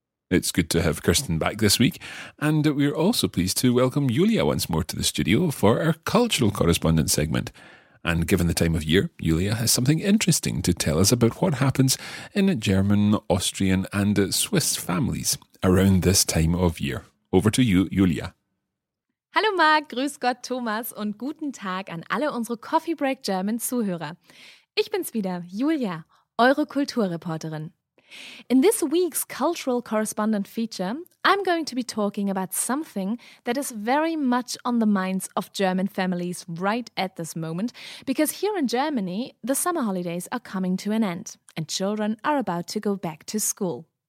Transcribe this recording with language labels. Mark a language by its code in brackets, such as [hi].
[en] It's good to have Kirsten back this week. And we're also pleased to welcome Julia once more to the studio for our cultural correspondent segment. And given the time of year, Julia has something interesting to tell us about what happens in German, Austrian and Swiss families around this time of year. Over to you, Julia. [de] Hallo Marc, grüß Gott Thomas und guten Tag an alle unsere Coffee Break German Zuhörer. Ich bin's wieder, Julia, eure Kulturreporterin. [en] In this week's cultural correspondent feature, I'm going to be talking about something that is very much on the minds of German families right at this moment, because here in Germany, the summer holidays are coming to an end and children are about to go back to school.